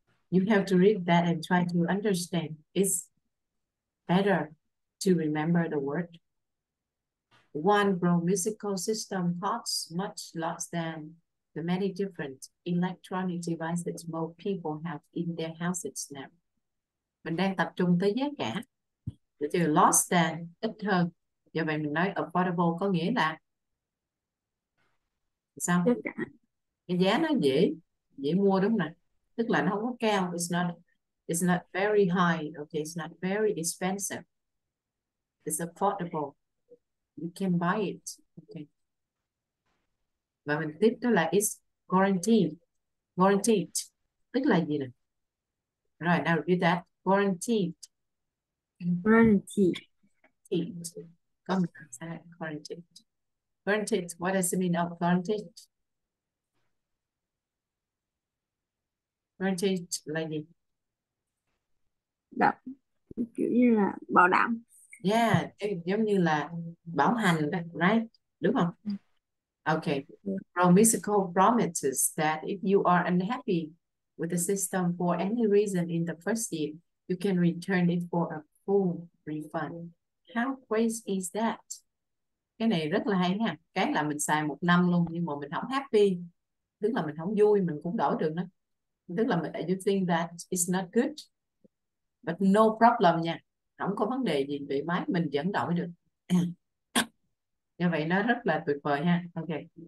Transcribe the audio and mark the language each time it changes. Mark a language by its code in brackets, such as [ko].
[en] You have to read that and try to understand. It's better to remember the word. One Brown musical system costs much less than the many different electronic devices most people have in their houses now. [vi] Mình đang tập trung tới giá cả. Từ [en] less than, [vi] ít hơn. Do vậy mình nói affordable có nghĩa là sao? Tất cả. Cái giá nó dễ, dễ mua đúng không nào? Tức là nó không có cao. [en] It's not very high. Okay, it's not very expensive. It's affordable. You can buy it. [vi] Okay. Và mình tiếp đó là [en] it's guaranteed. Guaranteed. [vi] Tức là gì nè? [en] Right, now repeat that. Guaranteed. Guarantee. Guaranteed. Come on, guaranteed. Guaranteed. What does it mean of guaranteed? [vi] Guaranteed là gì? Đó, kiểu như là bảo đảm. Yeah, giống như là bảo hành, [en] right? [vi] Đúng không? Okay. [en] Promissical promises that if you are unhappy with the system for any reason in the first year, you can return it for a full refund. How crazy is that? [vi] Cái này rất là hay ha. Cái là mình xài một năm luôn nhưng mà mình không happy, tức là mình không vui, mình cũng đổi được nữa. Tức là mình [en] you think that it's not good, but no problem nha. [vi] Không có vấn đề gì, bị máy mình vẫn đổi được. Như vậy nó rất là tuyệt vời ha. Okay.